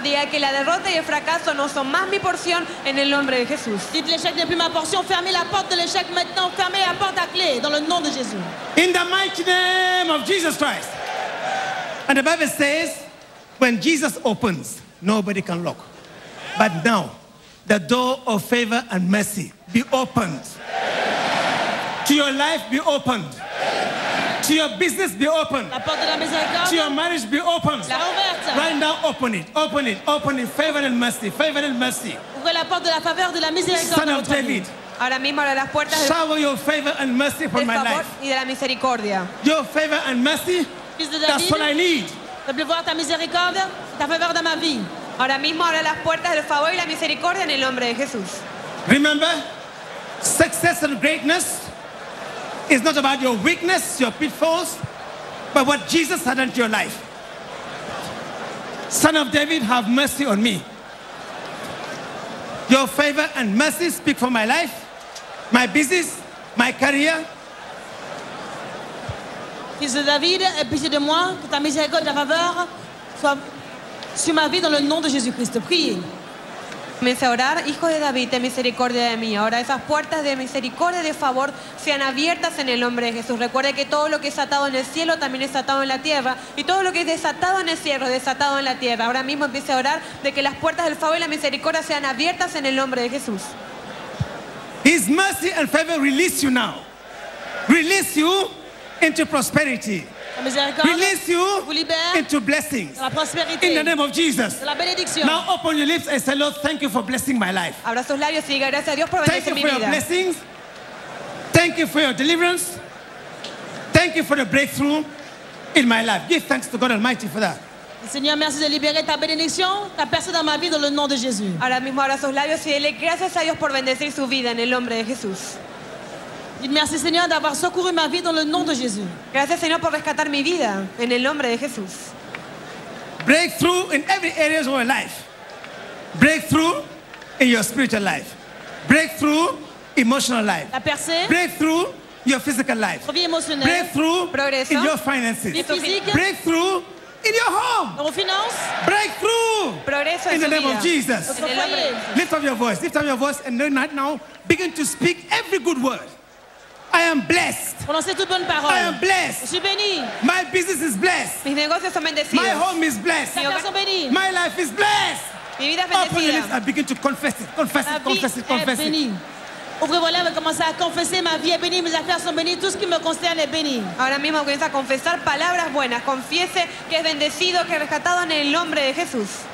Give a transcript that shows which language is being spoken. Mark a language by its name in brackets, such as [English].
[Spanish] Diga que la derrota y el fracaso no son más mi porción en el nombre de Jesús. [French] Dites l'échec n'est plus ma portion. Fermez la porte de l'échec maintenant. Fermez la porte à clé dans le nom de Jésus. [English] In the mighty name of Jesus Christ. And the Bible says, when Jesus opens, nobody can lock. But now, the door of favor and mercy be opened. To your life be opened. Amen. To your business be opened. [French] La porte de la maison est ouverte. [English] To your marriage be opened. [French] La ouverte. [English] Right now open it. Open it. Open it. Favor and mercy. Favor and mercy. [French] Ouvrez la porte de la faveur de la miséricorde. [English] Son of David. [Spanish] Ahora mismo abre las puertas. [English] Shower your favor and mercy upon my life. [Spanish] Y de la misericordia. [English] Your favor and mercy. [French] Fils de David, [English] that's what I need. [French] Veux voir ta miséricorde. Está faveur dans ma vie. [Spanish] Ahora mismo abre las puertas del favor y la misericordia en el nombre de Jesús. [English] Remember, success and greatness is not about your weakness, your pitfalls, but what Jesus had unto your life. Son of David, have mercy on me. Your favor and mercy speak for my life, my business, my career. [French] Fils de David, aie pitié de moi, que ta miséricorde, ta faveur soit sur ma vie dans le nom de Jésus-Christ. Priez. [Spanish] Comencé a orar, hijo de David, ten misericordia de mí. Ahora esas puertas de misericordia y de favor sean abiertas en el nombre de Jesús. Recuerde que todo lo que es atado en el cielo también es atado en la tierra. Y todo lo que es desatado en el cielo es desatado en la tierra. Ahora mismo empiece a orar de que las puertas del favor y la misericordia sean abiertas en el nombre de Jesús. [English] His mercy and favor release you now. Release you into prosperity. Release you into blessings [French] la prosperité. [English] In the name of Jesus. [French] La bénédiction. [English] Now open your lips and say, Lord, thank you for blessing my life. [Spanish] Abra sus labios y diga, gracias a Dios por bendecir mi vida. [English] Thank you for your blessings. Thank you for your deliverance. Thank you for the breakthrough in my life. Give thanks to God Almighty for that. [French] Seigneur, merci de libérer ta bénédiction, ta personne dans ma vie dans le nom de Jésus. [Spanish] Ahora mismo abra sus labios y dile gracias a Dios por bendecir su vida en el nombre de Jesús. [French] Merci Seigneur d'avoir secouru ma vie dans le nom de Jésus. [Spanish] Gracias Señor por rescatar mi vida en el nombre de Jesús. [English] Breakthrough in every area of your life. Breakthrough in your spiritual life. Breakthrough emotional life. [French] La percée. [English] Breakthrough your physical life. [French] Vie émotionnelle. [English] Breakthrough [Spanish] progresso. [English] In your finances. [French] Vie physique. [English] Breakthrough in your home. [French] Dans vos finances. [English] Breakthrough [Spanish] progresso [English] in the name [Spanish] vida. [English] Of Jesus. Lift up your voice. Lift up your voice and learn right now. Begin to speak every good word. I am blessed. I am blessed. My business is blessed. My home is blessed. My life is blessed. Open your lips and begin to confess it. Confess it, confess it, confess it. [French] Ouvrez vos lèvres et commencez à confesser. Ma vie est bénie, mes affaires sont bénies, tout ce qui me concerne est béni. [Spanish] Ahora mismo comienza a confesar palabras buenas. Confiese que es bendecido, que es rescatado en el nombre de Jesús.